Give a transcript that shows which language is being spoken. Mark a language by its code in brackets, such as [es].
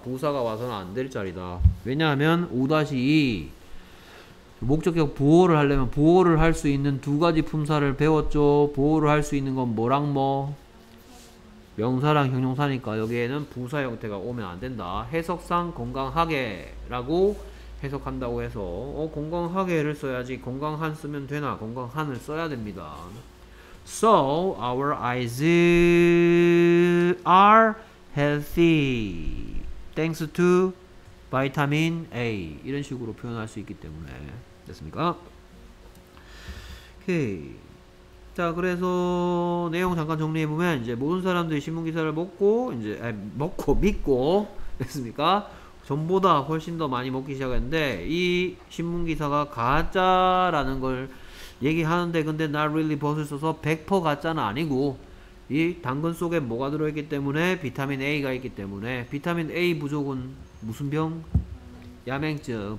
[ko] 부사가 와서는 안 될 자리다. 왜냐하면 5-2 목적격 보호를 하려면 보호를 할 수 있는 두 가지 품사를 배웠죠. 보호를 할 수 있는 건 뭐랑 뭐? 명사랑 형용사니까 여기에는 부사 형태가 오면 안 된다. 해석상 건강하게 라고 해석한다고 해서 건강하게를 써야지 건강한 쓰면 되나? 건강한을 써야 됩니다. [en] So our eyes are healthy thanks to vitamin A. [ko] 이런 식으로 표현할 수 있기 때문에 됐습니까? 오케이. 자, 그래서 내용 잠깐 정리해 보면 이제 모든 사람들이 신문 기사를 먹고 이제 먹고 믿고 됐습니까? 전보다 훨씬 더 많이 먹기 시작했는데 이 신문 기사가 가짜라는 걸 얘기하는데 근데 [en] not really but [ko] 을 써서 100% 가짜는 아니고 이 당근 속에 뭐가 들어있기 때문에 비타민 A가 있기 때문에 비타민 A 부족은 무슨 병? 야맹증.